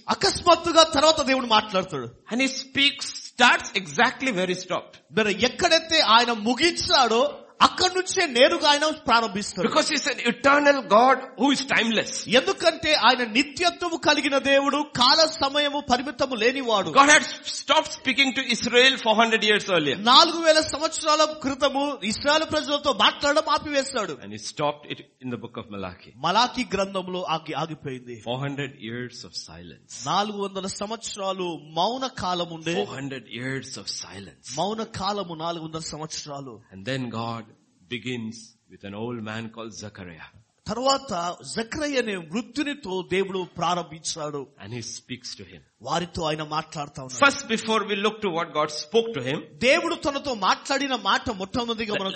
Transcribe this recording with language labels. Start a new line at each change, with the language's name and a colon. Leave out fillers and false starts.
Telugu: అకస్మాత్తుగా తర్వాత దేవుడు మాట్లాడతాడు.
English: And he speaks, starts exactly where he stopped.
Telugu: మరి ఎక్కడైతే ఆయన ముగించాడో అక్కడ నుంచే నేరుగా ఆయన ప్రారంభిస్తాడు.
English: Because he's an eternal God who is timeless.
Telugu: ఎందుకంటే ఆయన నిత్యత్వము కలిగిన దేవుడు, కాల సమయము పరిమితము లేనివాడు.
English: God had stopped speaking to Israel 400 years earlier.
Telugu: 4000 సంవత్సరాల క్రితము ఇశ్రాయేల ప్రజలతో మాట్లాడడం ఆపివేస్తాడు.
English: And he stopped it in the book of Malachi.
Telugu: Malachi గ్రంథములో ఆగిపోయింది.
English: 400 years of silence.
Telugu: 400 సంవత్సరాలు మౌన కాలం ఉండే.
English: 400 years of silence.
Telugu: మౌన కాలము 400 సంవత్సరాలు.
English: And then God begins with an old man called Zechariah.
Telugu: తరువాత జకరయ్య అనే వృద్ధునితో దేవుడు ప్రారంభించాడు.
English: And he speaks to him.
Telugu: వారితో ఆయన మాట్లాడుతా ఉన్నాడు.
English: First, before we look to what God spoke to him,
Telugu: దేవుడు తనతో మాట్లాడిన మాట మొట్టమొదటిగా మనం